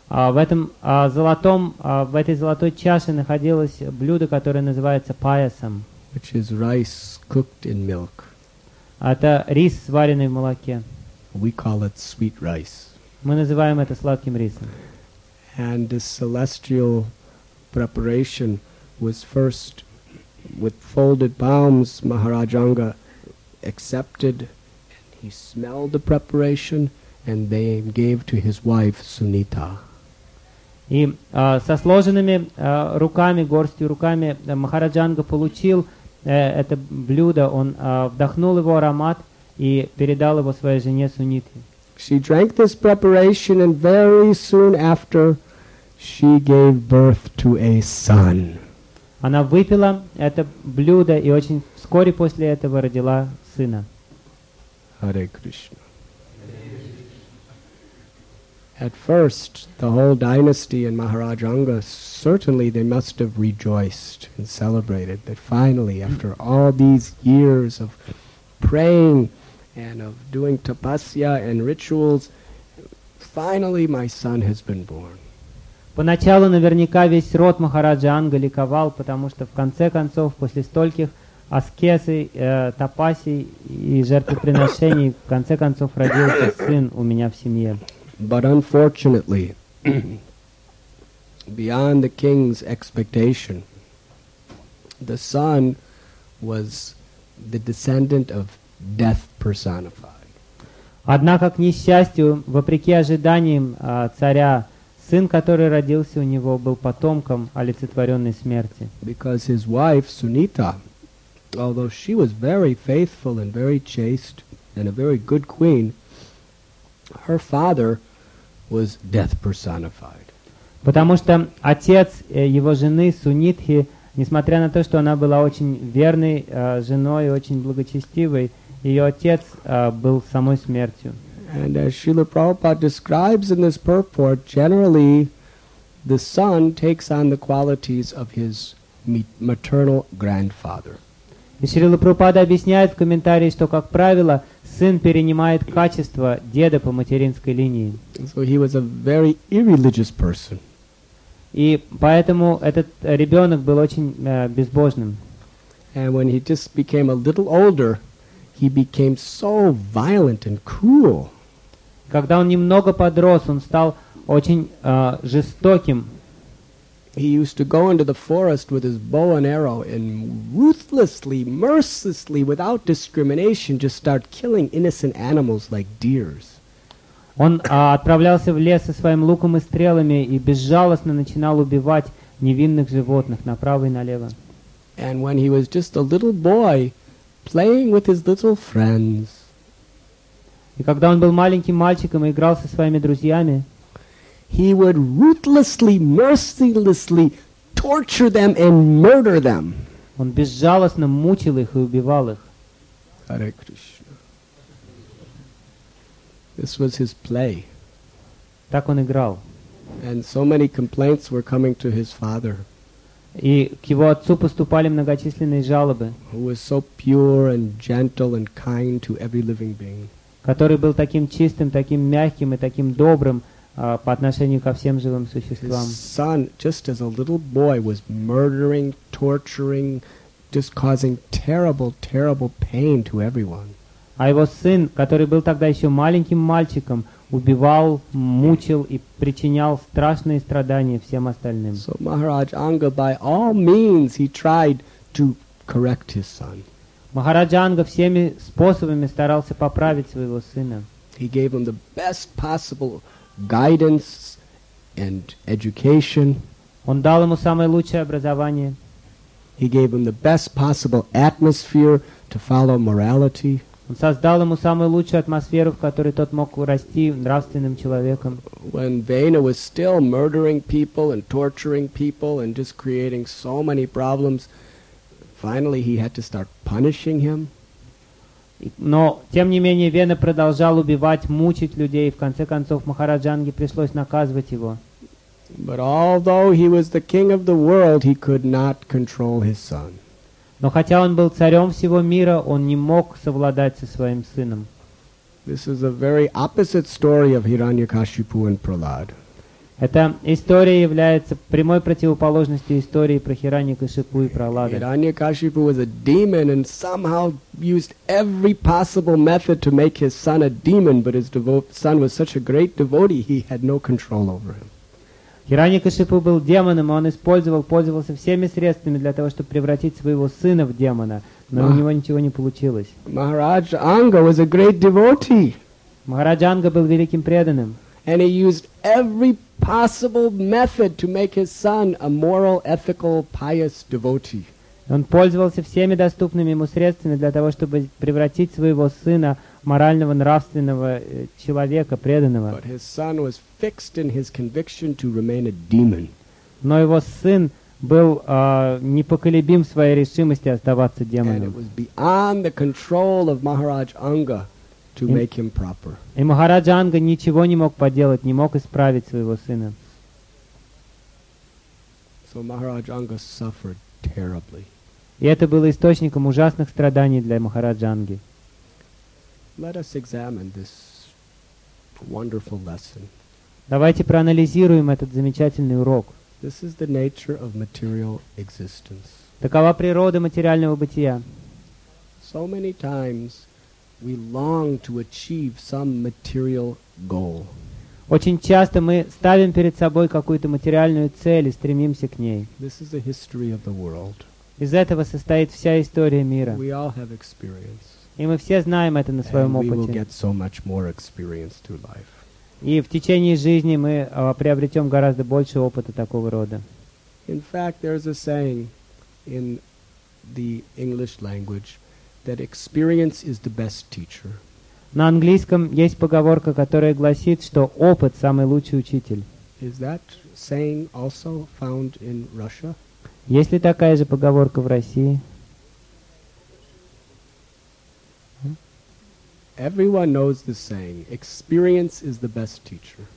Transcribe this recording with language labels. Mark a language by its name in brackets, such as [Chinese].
[Russian] В этой золотой чаше находилось блюдо, которое называется payasam. [English] Which is rice cooked in milk. [Russian] Это рис, сваренный в молоке. [English] We call it sweet rice. [Russian] Мы называем это сладким рисом. [English] And the celestial preparation was first with folded palms. Maharaj Anga accepted and he smelled the preparation and they gave to his wife Sunita. [Russian] И со сложенными руками, горстью руками Махараджанга получил это блюдо, он вдохнул его аромат и передал его своей жене Суните. [English] She drank this preparation and very soon after she gave birth to a son. [Russian] Она выпила это блюдо и очень вскоре после этого родила сына. [English] Hare Krishna. At first, the whole dynasty and Maharaj Anga, certainly they must have rejoiced and celebrated that finally, after all these years of praying and of doing tapasya and rituals, finally my son has been born. [Russian] Поначалу наверняка весь род Махараджа Анга ликовал, потому что в конце концов, после стольких аскезы, тапаси и жертвоприношений, в конце концов родился сын у меня в семье. [English] But unfortunately, beyond the king's expectation, the son was the descendant of death personified. [Russian] Однако, к несчастью, вопреки ожиданиям царя, сын, который родился у него, был потомком олицетворенной смерти. [English] Because his wife, Sunita, although she was very faithful and very chaste and a very good queen, her father was death personified. [Russian] Потому что отец его жены Сунитхи, несмотря на то, что она была очень верной женой и очень благочестивой, ее отец был самой смертью. [English] And as Srila Prabhupada describes in this purport, generally the son takes on the qualities of his maternal grandfather. [Russian] И Шрила Прабхупада объясняет в комментарии, что, как правило, сын перенимает качества деда по материнской линии. [English] So he was a very irreligious person. [Russian] И поэтому этот ребенок был очень безбожным. [English] And when he just became a little older, he became so violent and cruel. [Russian] Когда он немного подрос, он стал очень жестоким. [English] He used to go into the forest with his bow and arrow and ruthlessly, mercilessly, without discrimination, just start killing innocent animals like deers. [Russian] Он отправлялся в лес со своим луком и стрелами и безжалостно начинал убивать невинных животных направо и налево. [English] And when he was just a little boy, playing with his little friends. [Russian] И когда он был маленьким мальчиком и играл со своими друзьями, [English] he would ruthlessly, mercilessly torture them and murder them. [Russian] Он безжалостно мучил их и убивал их. [English] Hare Krishna. This was his play. [Russian] Так он играл. [English] And so many complaints were coming to his father. [Russian] И к его отцу поступали многочисленные жалобы. [English] Who was so pure and gentle and kind to every living being. [Russian] Который был таким чистым, таким мягким и таким добрым по отношению ко всем живым существам. [English] His son, just as a little boy, was murdering, torturing, just causing terrible, terrible pain to everyone. [Russian] А его сын, который был тогда еще маленьким мальчиком, убивал, мучил и причинял страшные страдания всем остальным. [English] So Maharaj Anga, by all means, he tried to correct his son. [Russian] Махараджа Анга всеми способами старался поправить своего сына. [English] He gave him the best possible guidance and education. [Russian] Он дал ему самое лучшее образование. [English] He gave him the best possible atmosphere to follow morality. [Russian] Он создал ему самую лучшую атмосферу, в которой тот мог расти нравственным человеком. [English] When Vena was still murdering people and torturing people and just creating so many problems, finally he had to start punishing him. [Russian] Но, тем не менее, Вена продолжал убивать, мучить людей, и в конце концов Махараджанге пришлось наказывать его. [English] But although he was the king of the world, he could not control his son. [Russian] Но хотя он был царем всего мира, он не мог совладать со своим сыном. [English] This is a very opposite story of Hiranyakashipu and Prahlad. [Russian] Эта история является прямой противоположностью истории про Хираньякашипу и Прахлада. [English] Хираньякашипу was a demon and somehow used every possible method to make his son a demon, but his son was such a great devotee, he had no control over him. [Russian] Хираньякашипу был демоном, и он пользовался всеми средствами для того, чтобы превратить своего сына в демона, но у него ничего не получилось. [English] Махараджа Анга was a great devotee. [Russian] Махараджа Анга был великим преданным. [English] And he used every possible method to make his son a moral, ethical, pious devotee. [Russian] Он пользовался всеми доступными ему средствами для того, чтобы превратить своего сына в морального, нравственного человека, преданного. [English] But his son was fixed in his conviction to remain a demon. [Russian] Но его сын был непоколебим в своей решимости оставаться демоном. [English] And it was beyond the control of Maharaj Anga to make him proper. [Russian] И Махараджа Анга ничего не мог поделать, не мог исправить своего сына. [English] So Maharaj Anga suffered terribly. [Russian] И это было источником ужасных страданий для Махараджа Анги. [English] Let us examine this wonderful lesson. [Russian] Давайте проанализируем этот замечательный урок. [English] This is the nature of material existence. [Russian] Такова природа материального бытия. [English] So many times we long to achieve some material goal. [Russian] Очень часто мы ставим перед собой какую-то материальную цель и стремимся к ней. [English] This is the history of the world. [Russian] Из этого состоит вся история мира. [English] We all have experience. [Russian] И мы все знаем это на своем [English] and [Russian] опыте. [English] We will get so much more experience through life. [Russian] И в течение жизни мы приобретем гораздо больше опыта такого рода. [English] In fact, there is a saying in the English language that experience is the best teacher. [Russian] На английском есть поговорка, которая гласит, что опыт — самый лучший учитель. [English] Is that saying also found in Russia? [Russian] Есть ли такая же поговорка в России? [English] Everyone knows this saying. Experience is the best teacher.